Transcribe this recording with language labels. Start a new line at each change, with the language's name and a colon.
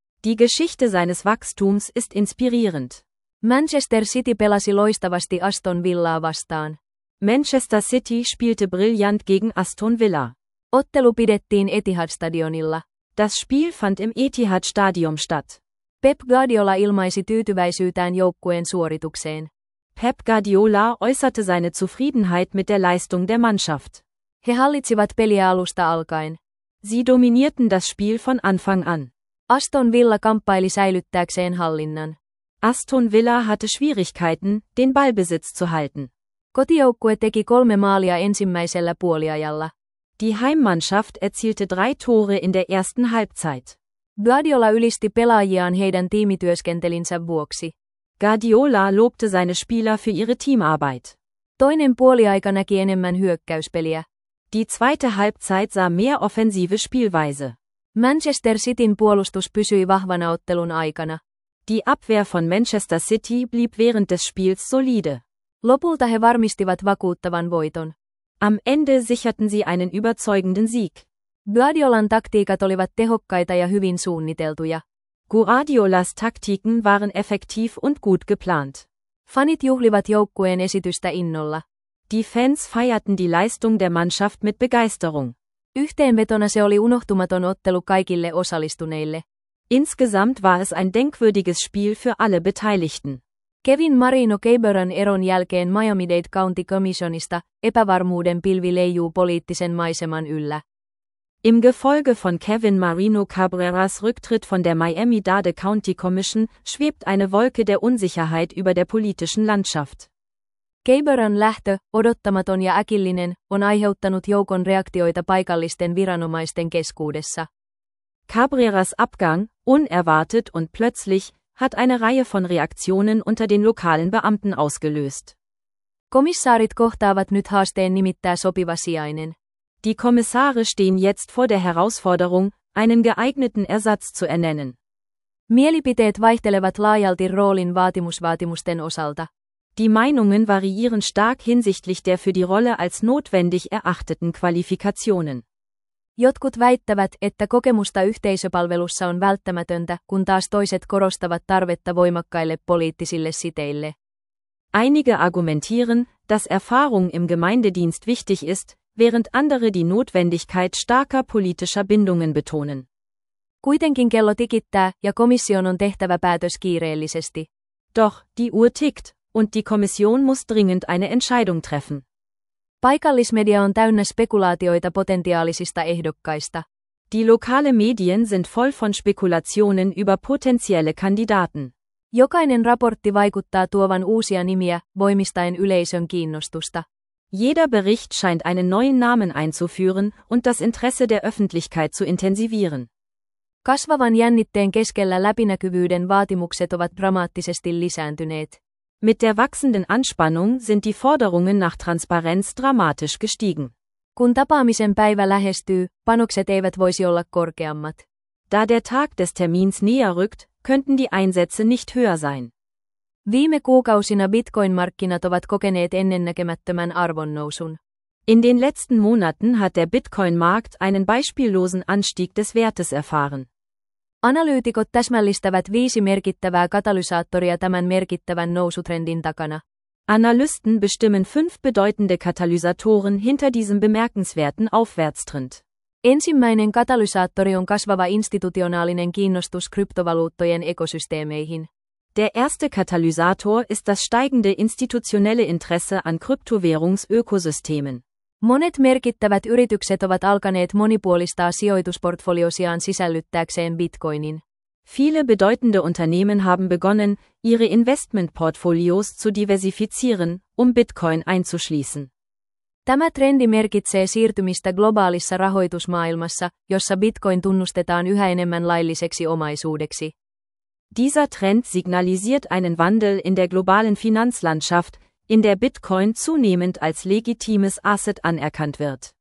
German: Die Geschichte seines Wachstums ist inspirierend.
Finnish: Manchester City pelasi loistavasti Aston Villaa vastaan.
German: Manchester City spielte brillant gegen Aston Villa.
Finnish: Ottelu pidettiin Etihad Stadionilla.
German: Das Spiel fand im Etihad Stadium statt.
Finnish: Pep Guardiola ilmaisi tyytyväisyytään joukkueen suoritukseen.
German: Pep Guardiola äußerte seine Zufriedenheit mit der Leistung der Mannschaft.
Finnish: He hallitsivat peliä alusta alkaen.
German: Sie dominierten das Spiel von Anfang an.
Finnish: Aston Villa kamppaili säilyttääkseen hallinnan.
German: Aston Villa hatte Schwierigkeiten, den Ballbesitz zu halten.
Finnish: Kotijoukkue teki 3 maalia ensimmäisellä puoliajalla.
German: Die Heimmannschaft erzielte 3 Tore in der ersten Halbzeit.
Finnish: Guardiola ylisti pelaajiaan heidän tiimityöskentelinsä vuoksi.
German: Guardiola lobte seine Spieler für ihre Teamarbeit.
Finnish: Toinen puoliaika näki enemmän hyökkäyspeliä.
German: Die zweite Halbzeit sah mehr offensive Spielweise.
Finnish: Manchester Cityn puolustus pysyi vahvana ottelun aikana.
German: Die Abwehr von Manchester City blieb während des Spiels solide.
Finnish: Lopulta he varmistivat vakuuttavan voiton.
German: Am Ende sicherten sie einen überzeugenden Sieg.
Finnish: Guardiolan taktiikat olivat tehokkaita ja hyvin suunniteltuja.
German: Guardiolas Taktiken waren effektiv und gut geplant.
Finnish: Fanit juhlivat joukkueen esitystä innolla.
German: Die Fans feierten die Leistung der Mannschaft mit Begeisterung.
Finnish: Yhteenvetona se oli unohtumaton ottelu kaikille osallistuneille.
German: Insgesamt war es ein denkwürdiges Spiel für alle Beteiligten.
Finnish: Kevin Marino Caberan eron jälkeen Miami-Dade County Commissionista epävarmuuden pilvi leijuu poliittisen maiseman yllä.
German: Im Gefolge von Kevin Marino Cabreras Rücktritt von der Miami-Dade County Commission schwebt eine Wolke der Unsicherheit über der politischen Landschaft.
Finnish: Cabreran lähtö, odottamaton ja äkillinen, on aiheuttanut joukon reaktioita paikallisten viranomaisten keskuudessa.
German: Cabreras Abgang, unerwartet und plötzlich, hat eine Reihe von Reaktionen unter den lokalen Beamten ausgelöst.
Finnish: Kommissaarit kohtaavat nyt haasteen nimittää sopiva sijainen.
German: Die Kommissare stehen jetzt vor der Herausforderung, einen geeigneten Ersatz zu ernennen.
Finnish: Mielipiteet vaihtelevat laajalti roolin vaatimusvaatimusten osalta.
German: Die Meinungen variieren stark hinsichtlich der für die Rolle als notwendig erachteten Qualifikationen.
Finnish: Jotkut väittävät, että kokemusta yhteisöpalvelussa on välttämätöntä, kun taas toiset korostavat tarvetta voimakkaille poliittisille siteille.
German: Einige argumentieren, dass Erfahrung im Gemeindedienst wichtig ist, während andere die Notwendigkeit starker politischer Bindungen betonen.
Finnish: Kuitenkin kello tikittää ja komission on tehtävä päätös kiireellisesti.
German: Doch, die Uhr tickt und die Kommission muss dringend eine Entscheidung treffen.
Finnish: Paikallismedia on täynnä spekulaatioita potentiaalisista ehdokkaista.
German: Die lokale Medien sind voll von Spekulationen über potenzielle Kandidaten.
Finnish: Jokainen raportti vaikuttaa tuovan uusia nimiä, voimistaen yleisön kiinnostusta.
German: Jeder Bericht scheint einen neuen Namen einzuführen und das Interesse der Öffentlichkeit zu intensivieren.
Finnish: Kasvavan jännitteen keskellä läpinäkyvyyden vaatimukset ovat dramaattisesti lisääntyneet.
German: Mit der wachsenden Anspannung sind die Forderungen nach Transparenz dramatisch gestiegen.
Finnish: Kun tapaamisen päivä lähestyy, panokset eivät voisi olla korkeammat.
German: Da der Tag des Termins näher rückt, könnten die Einsätze nicht höher sein.
Finnish: Viime kuukausina Bitcoin-markkinat ovat kokeneet ennennäkemättömän arvonnousun.
German: In den letzten Monaten hat der Bitcoin-Markt einen beispiellosen Anstieg des Wertes erfahren.
Finnish: Analyytikot täsmällistävät viisi merkittävää katalysaattoria tämän merkittävän nousutrendin takana.
German: Analysten bestimmen fünf bedeutende Katalysatoren hinter diesem bemerkenswerten Aufwärtstrend.
Finnish: Ensimmäinen katalysaattori on kasvava institutionaalinen kiinnostus kryptovaluuttojen ekosysteemeihin.
German: Der erste Katalysator ist das steigende institutionelle Interesse an Kryptowährungsökosystemen.
Finnish: Monet merkittävät yritykset ovat alkaneet monipuolistaa sijoitusportfoliosiaan sisällyttääkseen Bitcoinin.
German: Viele bedeutende Unternehmen haben begonnen, ihre Investmentportfolios zu diversifizieren, um Bitcoin einzuschließen.
Finnish: Tämä trendi merkitsee siirtymistä globaalissa rahoitusmaailmassa, jossa Bitcoin tunnustetaan yhä enemmän lailliseksi omaisuudeksi.
German: Dieser Trend signalisiert einen Wandel in der globalen Finanzlandschaft, in der Bitcoin zunehmend als legitimes Asset anerkannt wird.